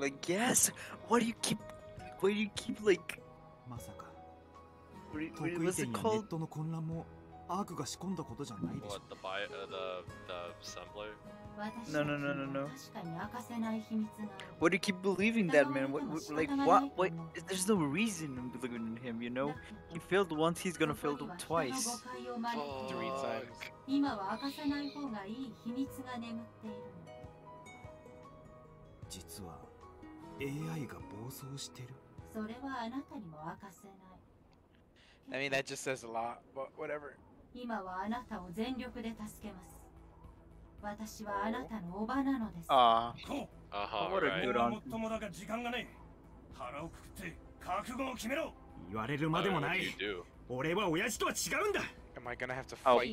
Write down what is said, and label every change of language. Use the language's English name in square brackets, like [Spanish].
[English] Like, yes! Why do you keep like... [Japanese] まさか得意点やネットの混乱もアークが仕込んだことじゃないでしょ。 [English] The assembler? No. [Japanese] 確かに明かせない秘密がある。 [English] Why do you keep believing that man? What? There's no reason I'm believing in him, you know? He failed once, he's gonna fail twice. Three times. [Japanese] 今は明かさない方がいい秘密が眠っている。実は AI が暴走してる。それはあなたにも明かせない。 [English] I mean, that just says a lot, but whatever. [Japanese] 今はあなたを全力で助けます。私はあなたのおばなのです。 [English] What a good one. [Japanese] 最もだが時間がない。腹をくくって覚悟を決めろ。言われるまでもない。俺は親父とは違うんだ。 [English] Am I gonna have to fight?